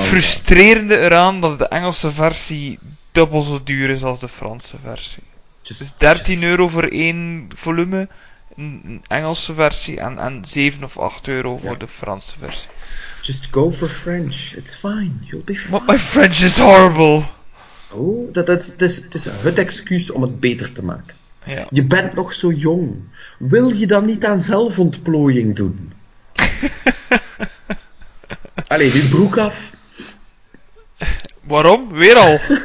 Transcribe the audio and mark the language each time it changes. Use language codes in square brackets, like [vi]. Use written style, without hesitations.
[nl] Het frustrerende eraan dat de Engelse versie dubbel zo duur is als de Franse versie. Dus 13 euro voor één volume, een Engelse versie, en 7 of 8 euro voor de Franse versie. [en] Just go for French, it's fine, you'll be fine. But my French is horrible. [nl] Oh, dat is het excuus om het beter te maken. Ja. Je bent nog zo jong, wil je dan niet aan zelfontplooiing doen? Allee, die broek af. Waarom? Weer al.